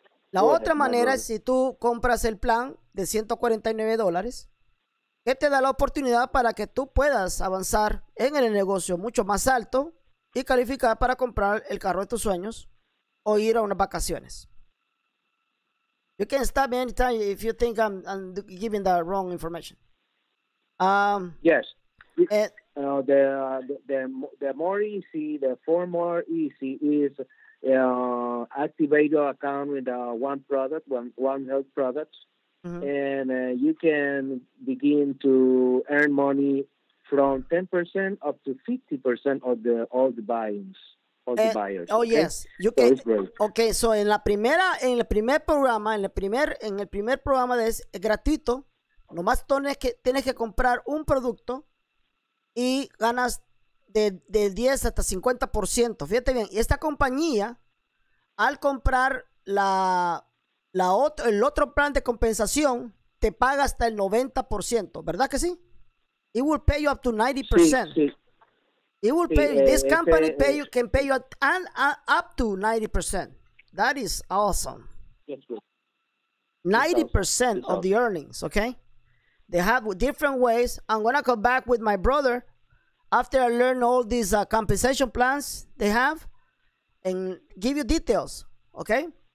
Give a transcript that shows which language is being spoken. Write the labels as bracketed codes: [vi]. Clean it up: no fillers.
[es] La otra manera es si tú compras el plan de $149, que te da la oportunidad para que tú puedas avanzar en el negocio mucho más alto y calificar para comprar el carro de tus sueños o ir a unas vacaciones. [en] You can stop me anytime if you think I'm giving the wrong information. Yes. The more easy, the four more easy is activate your account with one health product, mm-hmm. and you can begin to earn money from 10% up to 50% of the buyers. Oh okay? Yes, you so can. It's great. [es] Okay, so en el primer programa es gratuito. Nomás tienes que comprar un producto. Y ganas de 10 hasta 50%. Fíjate bien. Y esta compañía, al comprar el otro plan de compensación, te paga hasta el 90%. ¿Verdad que sí? [en] It will pay you up to 90%. [es] Sí, sí. [en] It will pay sí, this company este, pay you, can pay you up to 90%. That is awesome. Yes, 90% of the earnings, okay? They have different ways. I'm going to come back with my brother. After I learn all these compensation plans they have and give you details, okay?